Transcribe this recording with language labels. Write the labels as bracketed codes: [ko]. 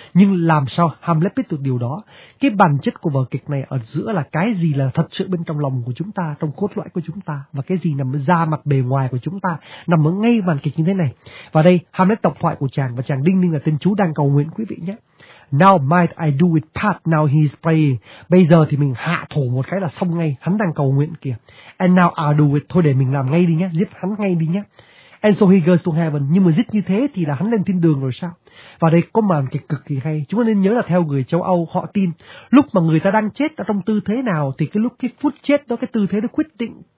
[vi] Nhưng làm sao Hamlet biết được điều đó? Cái bản chất của vở kịch này ở giữa là cái gì là thật sự bên trong lòng của chúng ta, trong cốt lõi của chúng ta, và cái gì nằm ra mặt bề ngoài của chúng ta, nằm ở ngay màn kịch như thế này. Và đây Hamlet độc thoại của chàng, và chàng đinh ninh là tên chú đang cầu nguyện quý vị nhé. [en] Now might I do it part, now he is praying. [vi] Bây giờ thì mình hạ thổ một cái là xong ngay, hắn đang cầu nguyện kìa. [en] And now I'll do it, [vi] thôi để mình làm ngay đi nhé, giết hắn ngay đi nhé. [en] And so he goes to heaven. [vi] Nhưng mà dứt như thế thì là hắn lên thiên đường rồi sao? Và đây có màn kịch cực kỳ hay. Chúng ta nên nhớ là theo người châu Âu, họ tin lúc mà người ta đang chết ở trong tư thế nào thì cái lúc cái phút chết đó, cái tư thế nó quyết định